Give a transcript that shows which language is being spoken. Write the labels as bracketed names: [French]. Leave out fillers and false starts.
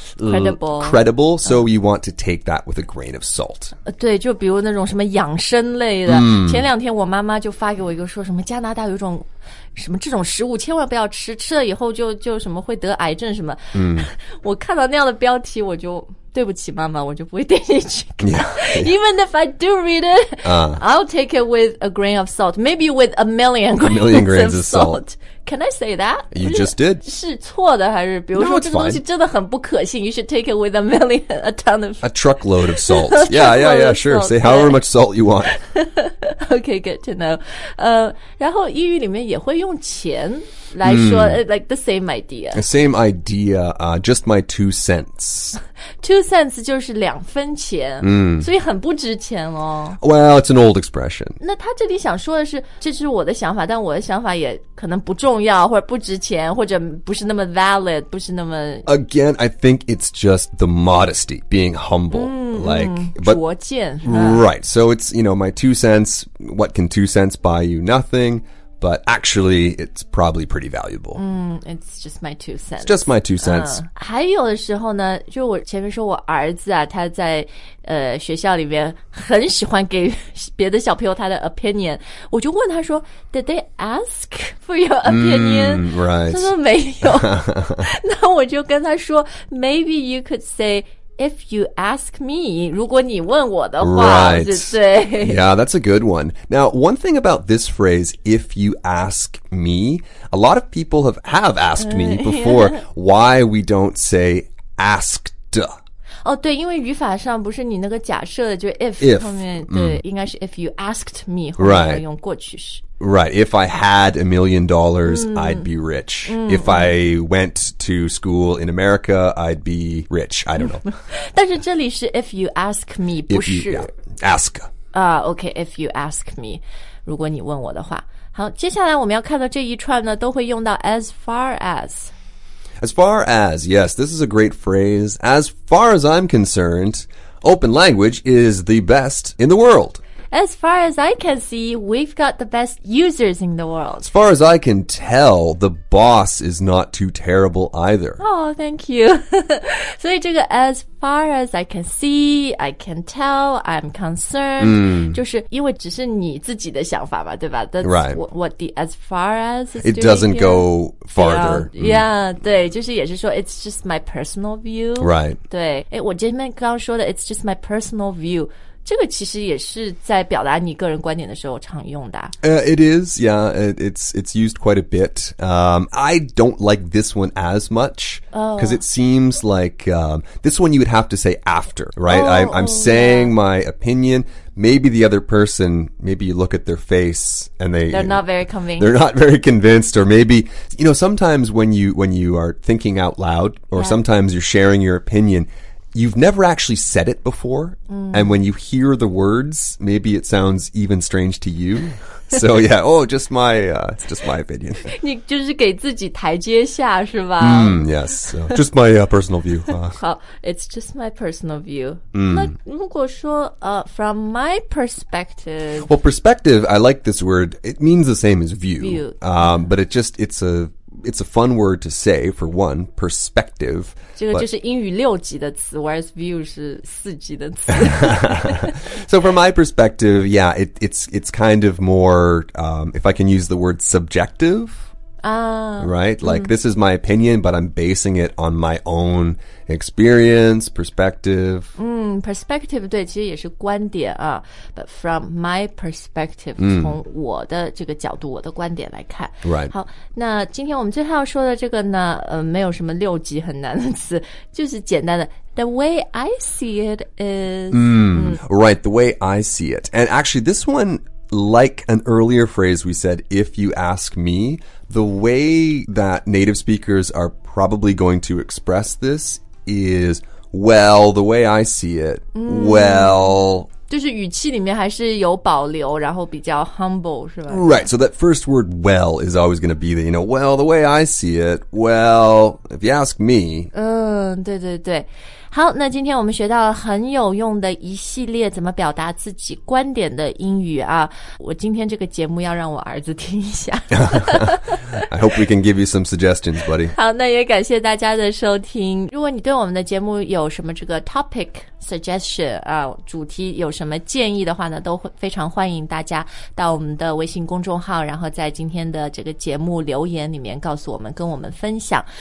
[English] credible. So you want to take that with a grain of salt. [Chinese] 对就比如那种什么养生类的、前两天我妈妈就发给我一个说什么加拿大有一种什么这种食物千万不要吃，吃了以后就什么会得癌症什么。嗯，我看到那样的标题，我就对不起妈妈，我就不会点进去看。 [English] Yeah, yeah. Even if I do read it,I'll take it with a grain of salt, maybe with a million grains of salt. Can I say that? You just did. [Chinese] 是错的还是比如说、 [English] no, [Chinese] 这个东西真的很不可信 [English] ？You should take it with a truckload of salt. Yeah, sure. Say however much salt you want. Okay, good to know. [Chinese] 然后英语里面也会用钱来说、 [English] like the same idea. The same idea, just my 2 cents. [Chinese] 2 cents 就是两分钱、所以很不值钱哦。 [English] Well, it's an old expression. [Chinese] 那他这里想说的是，这是我的想法，但我的想法也可能不重要，或者不值钱，或者不是那么 valid, 不是那么。 [English] Again, I think it's just the modesty, being humble. But, [Chinese] 拙见 [English] right, so it's, you know, my 2 cents, what can 2 cents buy you? Nothing, but actually, it's probably pretty valuable. It's just my 2 cents. It's just my 2 cents. [Chinese] 还有的时候呢，就我前面说我儿子啊，他在学校里面很喜欢给别的小朋友他的 opinion, 我就问他说 [English] did they ask for your opinion? Right. [Chinese] 他说没有。那我就跟他说 [English] maybe you could say,If you ask me, [Chinese] 如果你问我的话 [English] right. [Chinese] 对。 [English] Yeah, that's a good one. Now, one thing about this phrase, if you ask me, a lot of people have asked me before why we don't say asked. [Chinese] Oh, 对，因为语法上不是你那个假设的，就 if 后面，对，应该是 [English] if you asked me, [Chinese] 后面用过去式。 [English] Right, if I had $1 million, I'd be rich. If I went to school in America, I'd be rich. I don't know. [Chinese] 但是这里是 [English] if you ask me, [Chinese] 不是 [English] ask. Okay, if you ask me, [Chinese] 如果你问我的话。好，接下来我们要看到这一串呢，都会用到 [English] as far as. As far as, yes, this is a great phrase. As far as I'm concerned, open language is the best in the world. As far as I can see, we've got the best users in the world. As far as I can tell, the boss is not too terrible either. Oh, thank you. [Chinese] 所以这个 [English] as far as I can see, I can tell, I'm concerned, [Chinese] 就是因为只是你自己的想法吧，对吧？ [English] That's right. What the as far as is It doing here. Go farther. Yeah, [Chinese] 对，就是也是说 [English] it's just my personal view. Right. [Chinese] 对，诶，我前面刚刚说的 [English] it's just my personal view. [Chinese] 这个其实也是在表达你个人观点的时候常用的。 [English] It is, yeah, it's used quite a bit. I don't like this one as much, because it seems like, this one you would have to say after, right? I'm saying my opinion, maybe the other person, maybe you look at their face and they're not very convinced. They're not very convinced, or maybe, you know, sometimes when you are thinking out loud, or sometimes you're sharing your opinion,You've never actually said it before,and when you hear the words, maybe it sounds even strange to you. So yeah, oh, just my, it's just my opinion. [Chinese] 你就是给自己台阶下是吧？ [English] Yes, so, just my personal view. 好 it's just my personal view. [Chinese] 那如果说 [English] from my perspective. Well, perspective, I like this word. It means the same as view. View. But it's a fun word to say, for one, perspective. [Chinese] 这个就是英语六级的词 whereas view 是四级的词。 [English] So from my perspective, yeah, it's kind of more, if I can use the word subjective,right? Like, this is my opinion, but I'm basing it on my own experience, perspective. [Chinese] Perspective, 对，其实也是观点啊。 [English] But from my perspective, [Chinese] 从我的这个角度，我的观点来看。 [English] Right. [Chinese] 好，那今天我们最后要说的这个呢，没有什么六级很难的词，就是简单的。 [English] The way I see it is... Right, the way I see it. And actually, this one... Like an earlier phrase we said, if you ask me, the way that native speakers are probably going to express this is, well, the way I see it,well... [Chinese] 就是语气里面还是有保留，然后比较 humble, 是吧 [English] Right, so that first word, well, is always going to be the, you know, well, the way I see it, well, if you ask me... [Chinese] 对对对。好，那今天我们学到了很有用的一系列怎么表达自己观点的英语啊！我今天这个节目要让我儿子听一下。 [English] I hope we can give you some suggestions, buddy. [Chinese] 好，那也感谢大家的收听。如果你对我们的节目有什么这个 topic suggestion 啊，主题有什么建议的话呢，都非常欢迎大家到我们的微信公众号，然后在今天的这个节目留言里面告诉我们，跟我们分享。